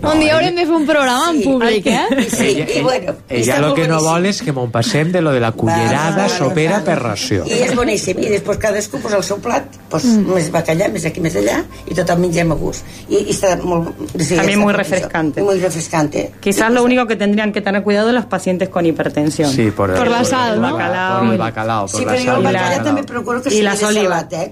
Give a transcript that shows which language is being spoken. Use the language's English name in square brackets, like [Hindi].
[Catalan] Un dia haurem de fer un programa en públic, eh? Sí, i bueno... Ella lo que no vol és que m'on passem de lo de la cullerada sopera per ració. I és boníssim. I després cadascú posa el seu plat, pues, mm. Més bacallà, més aquí, més allà, i tothom mengem a gust. I està molt... Sí, també molt refrescante. Molt refrescante. [Spanish] Quizás lo único que tendrían que tener cuidado los pacientes con hipertensión. Sí, por la sal, ¿no? Por el bacalao. [Catalan] Sí, però jo el bacallà també procuro que sigui de salat, eh?